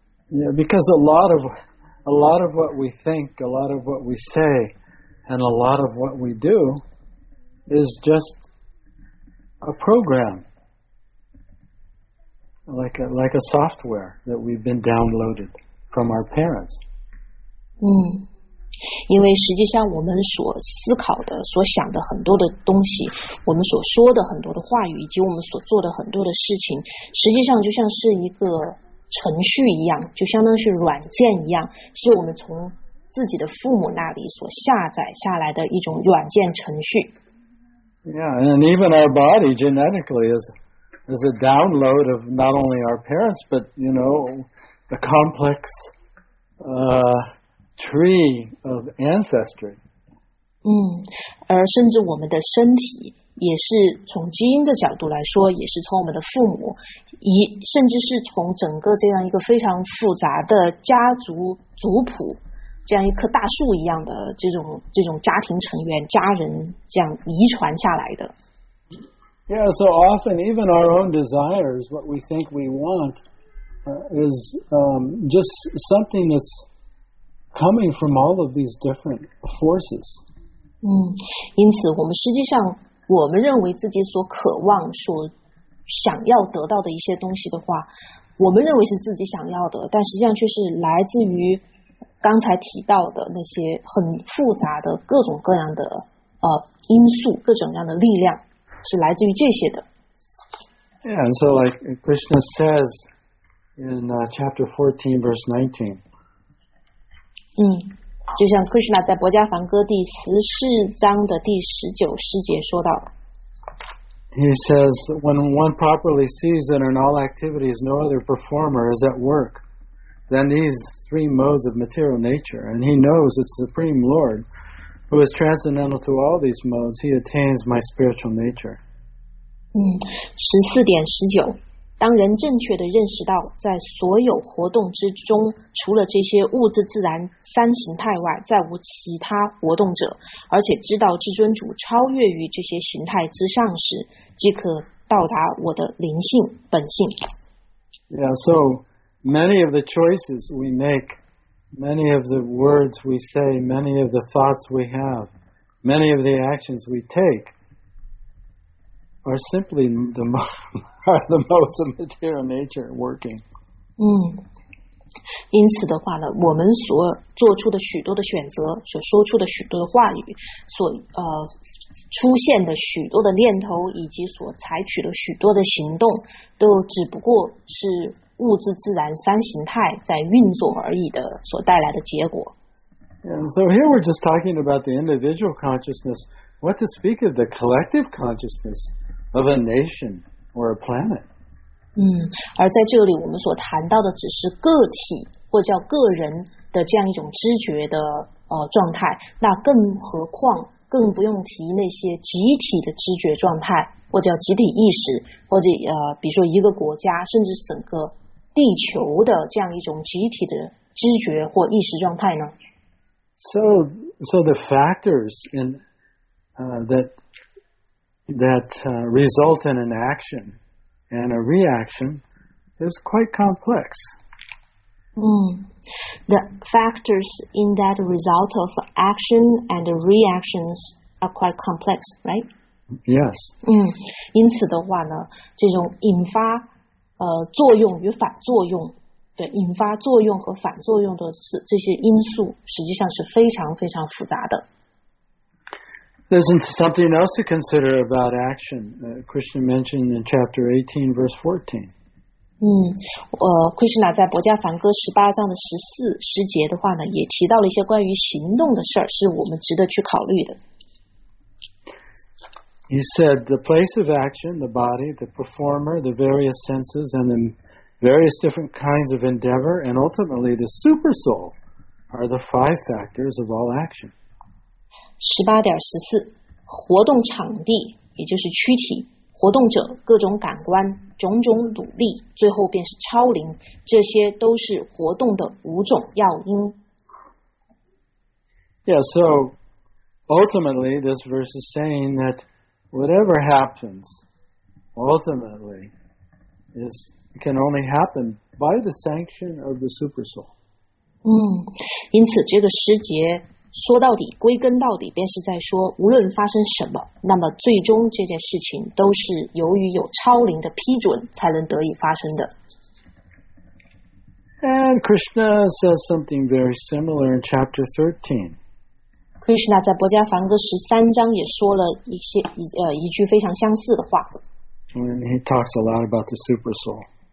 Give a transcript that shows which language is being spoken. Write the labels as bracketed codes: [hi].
[en] Yeah, because a lot of what we think, a lot of what we say, and a lot of what we do is just a program, like a software that we've been downloaded from our parents. [zh] 因为实际上我们所思考的、所想的很多的东西，我们所说的很多的话语，以及我们所做的很多的事情，实际上就像是一个程序一样，就相当于是软件一样，是我们从自己的父母那里所下载下来的一种软件程序。 [en] Yeah, and even our body genetically is a download of not only our parents, but, you know, the complex tree of ancestry. [zh] 而甚至我们的身体也是从基因的角度来说，也是从我们的父母，甚至是从整个这样一个非常复杂的家族族谱。这样一棵大树一样的这种家庭成员、家人这样遗传下来的。 [en] Yeah, so often even our own desires, what we think we want, is just something that's coming from all of these different forces. [zh] 因此我们实际上我们认为自己所渴望、所想要得到的一些东西的话，我们认为是自己想要的，但实际上却是来自于。刚才提到的那些很复杂的各种各样的因素，各种各样的力量，是来自于这些的。 [en] Yeah, and so like Krishna says in chapter 14, verse 19. [zh] 就像 Krishna 在《薄伽梵歌》第十四章的第十九诗节说到。 [en] He says, when one properly sees that in all activities no other performer is at work,Then these three modes of material nature, and he knows it's the Supreme Lord who is transcendental to all these modes, he attains my spiritual nature. [zh] 14:19, 当人正确地认识到在所有活动之中除了这些物质自然三形态外再无其他活动者，而且知道至尊主超越于这些形态之上时，即可到达我的灵性本性。 [en] Yeah, so,Many of the choices we make, many of the words we say, many of the thoughts we have, many of the actions we take are simply the modes of material nature working. [zh] 因此的话呢，我们所做出的许多的选择，所说出的许多的话语，所出现的许多的念头，以及所采取的许多的行动，都只不过是物质自然三形态在运作而已的所带来的结果。 [en] And so here we're just talking about the individual consciousness. What to speak of the collective consciousness of a nation or a planet? [zh] 而在这里我们所谈到的只是个体或叫个人的这样一种知觉的状态，那更何况更不用提那些集体的知觉状态，或者叫集体意识，或者比如说一个国家，甚至整个地球的这样一种集体的知觉或意识状态呢？ [en] So the factors in result in an action and a reaction is quite complex. The factors in that result of action and reactions are quite complex, right? Yes. [zh] 因此的话呢，这种引发作用与反作用，对，引发作用和反作用的这些因素，实际上是非常非常复杂的。 [en] There's something else to consider about action. Krishna mentioned in chapter 18, verse 14. [zh] Krishna 在博迦梵歌十八章的十四十节的话呢，也提到了一些关于行动的事儿，是我们值得去考虑的。 [en] He said the place of action, the body, the performer, the various senses, and the various different kinds of endeavor, and ultimately the super soul are the five factors of all action. [zh] 18.14，活动场地，也就是躯体。活动者各种感官种种努力最后便是超灵这些都是活动的五种要因 [en] Yeah, so ultimately this verse is saying that whatever happens ultimately is, can only happen by the sanction of the super soul [zh] 因此这个诗节说到底归根到底便是在说无论发生什么那么最终这件事情都是由于有超灵的批准才能得以发生的。 [en] And Krishna says something very similar in chapter 13. [zh] Krishna 在博迦梵歌十三章也说了一句非常相似的话。 [en] And he talks a lot about the super soul.